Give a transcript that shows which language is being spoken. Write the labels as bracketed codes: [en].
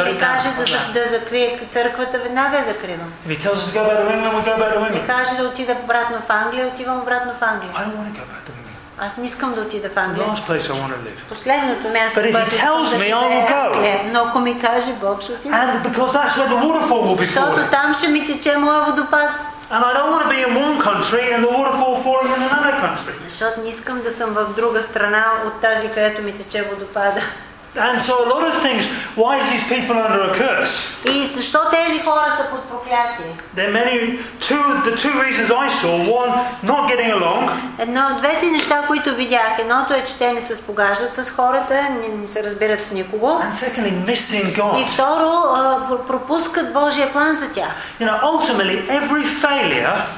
[bg] Ако ми каже да закрие църквата, веднага я закривам. [en] If he tells us to go back to England, we'll go back to England. [bg] Ми каже да отида обратно в Англия, отивам обратно в Англия. [en] I don't want to go back to England. [bg] Аз не искам да отида в Англия. [en] Last place I want to live. [bg] Последното място, което искам да живея. Но ако ми каже Бог, ще отида. [en] And because that's where the waterfall will be. [bg] Защото там ще ми тече моя водопад. [en] And I don't want to be in one country and the waterfall falling in another country. [bg] Защото не искам да съм в друга страна от тази, където ми тече водопада. [en] And so a lot of things, why is these people under a curse? [bg] И защо тези хора са под проклятие? [en] There are many, the two reasons I saw, one, not getting along. [bg] Едно от двете неща, които видях, едното е, че те не се спогаждат с хората, не се разбират с никого. [en] And secondly, missing God. [bg] И второ, пропускат Божия план за тях. [en] You know, ultimately, every failure,